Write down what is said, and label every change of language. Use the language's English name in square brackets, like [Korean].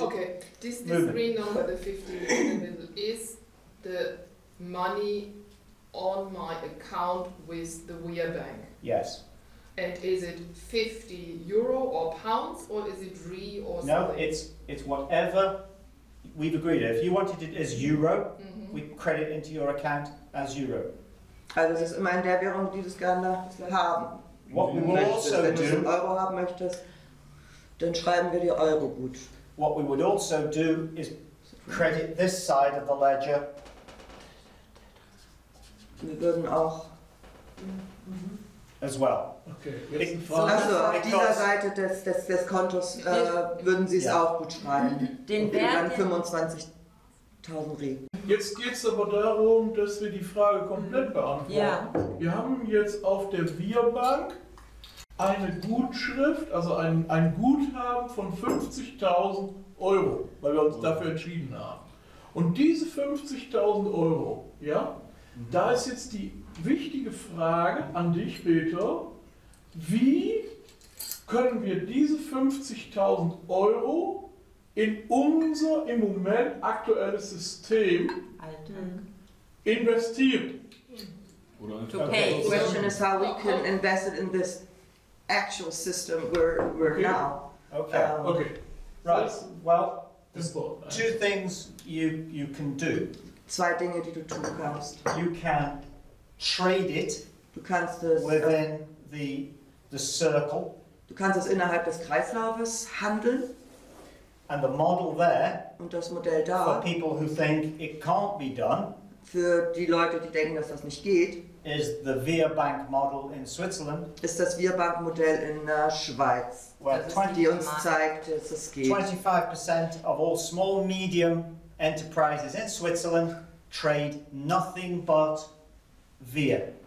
[English] Okay, this green number, the 50 in the middle, is the money on my account with the Weir Bank? Yes. And is it 50 euro or pounds, or is it re or something? No, it's whatever we've agreed. If you wanted it as euro, we credit into your account as euro. [German] Also es ist immer in der Währung, die du gerne haben. [English] What we would also [German] wenn [English] do, [German] du Euro haben möchtest, dann schreiben wir dir Euro gut. [English] What we would also do is credit this side of the ledger. [German] Wir würden auch [English] as well. Okay. [German] Also auf dieser Seite des Kontos würden Sie es auch gut schreiben. Den Wert 25.000 Re. Jetzt geht es aber darum, dass wir die Frage komplett beantworten. Ja. Wir haben jetzt auf der Weir Bank eine Gutschrift, also ein Guthaben von 50.000 Euro, weil wir uns dafür entschieden haben. Und diese 50.000 Euro, ja, da ist jetzt die wichtige Frage an dich, Peter. Wie können wir diese 50.000 Euro in unser im Moment aktuelles System investieren? [English] Okay. The question is how we can invest it in this actual system we're now. Okay. Right. So, well, there's two things you can do. [German] Zwei Dinge, die du tun kannst. [English] You can trade it. [German] Du kannst es [English] within the circle. [German] Du kannst es innerhalb des Kreislaufes handeln. [English] And the model there. [German] Und das Modell da. [English] For people who think it can't be done. [German] Für die Leute, die denken, dass das nicht geht. [English] Is the Via Bank model in Switzerland? [German] Ist das Via Bank Modell in der Schweiz? [English] Where 25% of all small medium enterprises in Switzerland trade nothing but Via.